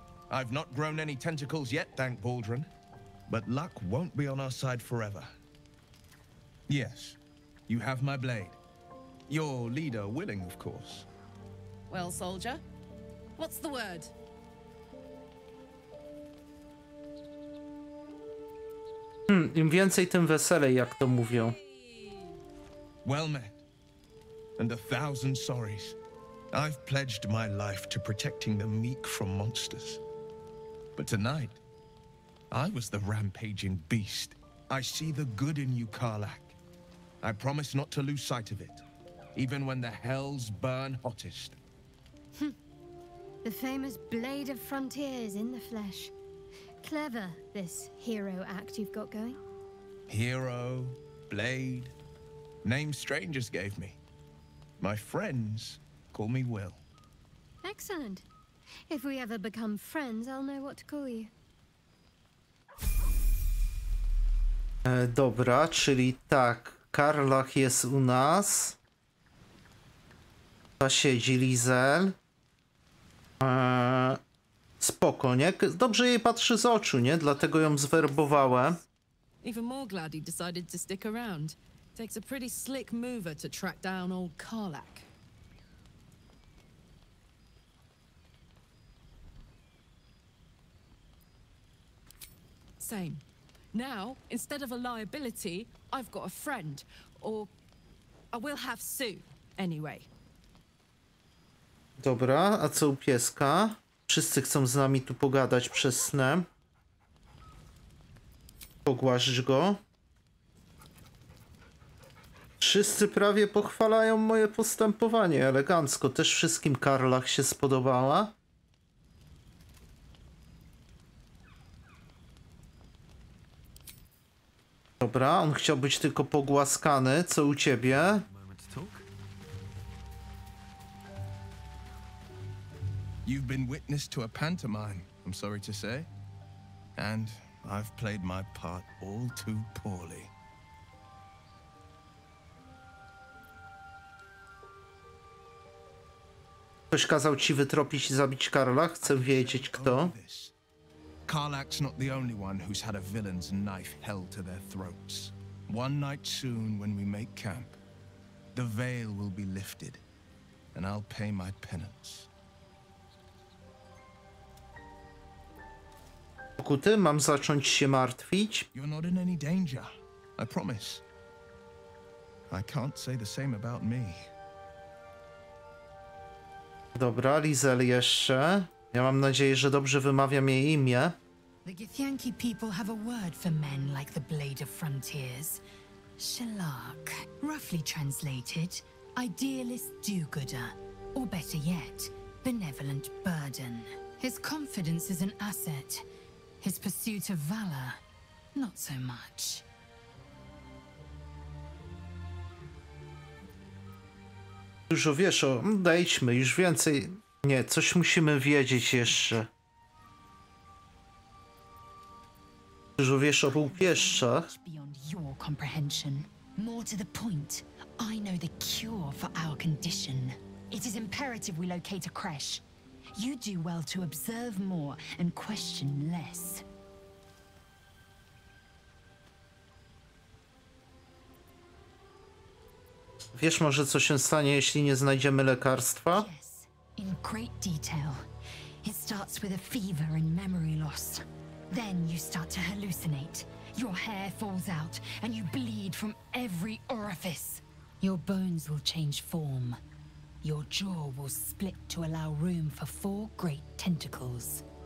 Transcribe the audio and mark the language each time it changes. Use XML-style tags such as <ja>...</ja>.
<en>I've not grown any tentacles yet, thank Baldrin. But luck won't be on our side forever. Yes, you have my blade. Your leader willing, of course. Well, soldier, what's the word?</en> <pl>Im więcej, tym weselej, jak to mówią.</pl> <en>Well met. And a thousand sorries. I've pledged my life to protecting the meek from monsters. But tonight, I was the rampaging beast. I see the good in you, Karlach. I promise not to lose sight of it, even when the hells burn hottest. The famous Blade of Frontiers in the flesh. Clever, this hero act you've got going. Hero, blade, name strangers gave me. My friends call me Will. Excellent. If we ever become friends, I'll know what to call you.</en> <pl>Dobra, czyli tak, Karlach jest u nas. Tu siedzi Lizel. Spoko, nie? Dobrze jej patrzy z oczu, nie? Dlatego ją zwerbowałem.</pl> <en>Even more glad he decided to stick around. Takes a pretty slick mover to track down old Karlach. Same. Now, instead of a liability, I've got a friend. Or I will have soon, anyway.</en> <pl>Dobra, a co u pieska? Wszyscy chcą z nami tu pogadać przez snem. Pogłaszcz go. Wszyscy prawie pochwalają moje postępowanie. Elegancko. Też wszystkim Karlach się spodobała. Dobra, on chciał być tylko pogłaskany. Co u ciebie?</pl> <en>You've been witness to a pantomime, I'm sorry to say. And I've played my part all too poorly.</en> <pl>Ktoś kazał ci wytropić i zabić Karlach? Chcę wiedzieć kto.</pl> <en>Karlach's not the only one who's had a villain's knife held to their throats. One night soon, when we make camp, the veil will be lifted, and I'll pay my penance.</en> <pl>Pokuty? Mam zacząć się martwić?</pl> <en>You're not in any danger, I promise. I can't say the same about me.</en> <pl>Dobra, Lizel jeszcze. Ja mam nadzieję, że dobrze wymawiam jej imię.</pl> <en>The Githyanki people have a word for men like the Blade of Frontiers. Shalak, roughly translated, idealist do-gooder, or better yet, benevolent burden. His confidence is an asset. His pursuit of valor, not so much.</en> <pl>Dużo wiesz o... Dejdźmy, już więcej... Nie, coś musimy wiedzieć jeszcze. Dużo wiesz o półpieszczach.</pl> <en>Beyond your comprehension. More to the point, I know the cure for our condition. It is imperative we locate a creche. You do well to observe more and question less.</en> <pl>Wiesz może, co się stanie, jeśli nie znajdziemy lekarstwa?</pl> <en>Yes, in great detail. It starts with a fever and memory loss. Then you start to hallucinate. Your hair falls out and you bleed from every orifice. Your bones will change form. Your jaw will split to allow room for four great tentacles.</en>